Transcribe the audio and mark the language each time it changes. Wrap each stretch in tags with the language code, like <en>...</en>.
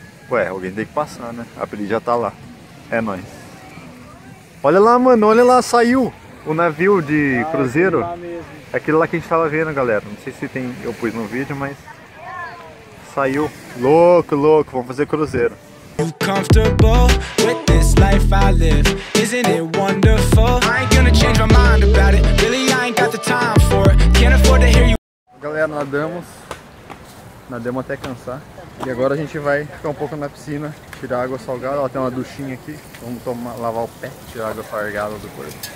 <pt>Ué, alguém tem que passar, né? A Pri já tá lá. É nóis. Olha lá, mano, olha lá, saiu o navio de cruzeiro. É aquele lá que a gente tava vendo, galera. Não sei se tem, eu pus no vídeo, mas... Saiu. Louco, louco, vamos fazer cruzeiro.</pt> <en>Comfortable with this life I live, isn't it wonderful? I ain't gonna change my mind about it. Really, I ain't got the time for it. Can't afford to hear you.</en> <pt>Galera, nadamos. Nadamos até cansar. E agora a gente vai ficar um pouco na piscina, tirar água salgada. Ó, tem uma duchinha aqui. Vamos tomar, lavar o pé, tirar água salgada do corpo.</pt>